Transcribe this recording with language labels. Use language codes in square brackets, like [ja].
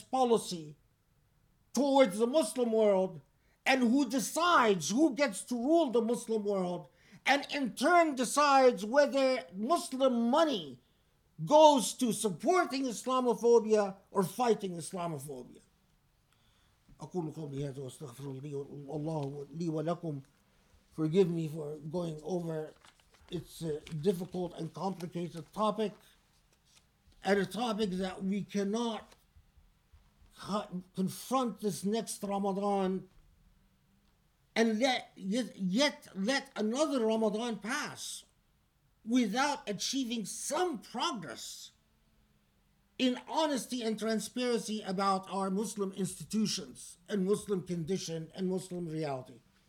[en] policy towards the Muslim world and who decides who gets to rule the Muslim world, and in turn decides whether Muslim money goes to supporting Islamophobia or fighting Islamophobia. [ar] أقول لكم بهذا واستغفر الله لي ولكم. [en] Forgive me for going over. It's a difficult and complicated topic, and a topic that we cannot confront this next Ramadan and let another Ramadan pass without achieving some progress in honesty and transparency about our Muslim institutions and Muslim condition and Muslim reality.